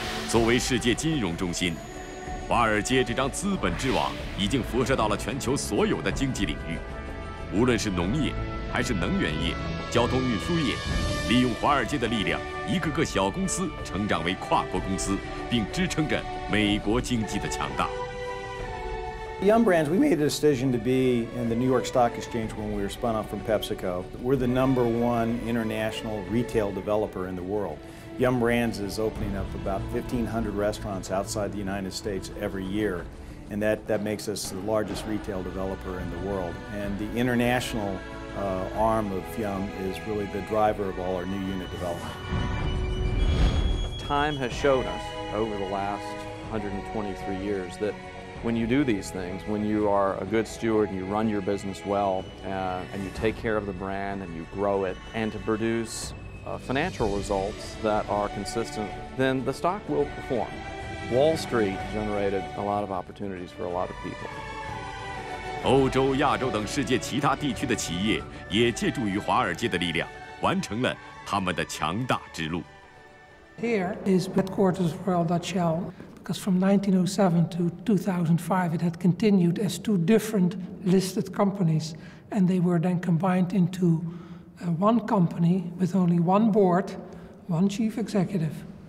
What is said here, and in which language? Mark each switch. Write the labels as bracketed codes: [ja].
[zh] 作为世界金融中心，华尔街这张资本之网已经辐射到了全球所有的经济领域，无论是农业还是能源业、交通运输业，利用华尔街的力量，一个个小公司成长为跨国公司，并支撑着美国经济的强大。 [en] Yum Brands, we made the decision to be in the New York Stock Exchange when we were spun off from PepsiCo. We're the number one international retail developer in the world. Yum Brands is opening up about 1,500 restaurants outside the United States every year, and that makes us the largest retail developer in the world. And the international arm of Yum is really the driver of all our new unit development. Time has shown us over the last 123 years that when you do these things, when you are a good steward and you run your business well, and you take care of the brand and you grow it, and to produce financial results that are consistent, then the stock will perform. Wall Street generated a lot of opportunities for a lot of people. [zh] 欧洲、亚洲等世界其他地区的企业也借助于华尔街的力量，完成了他们的强大之路。 [en] Here is headquarters for Royal Dutch Shell. Because from 1907 to 2005, it had continued as two different listed companies, and they were then combined into one company with only one board, one chief executive.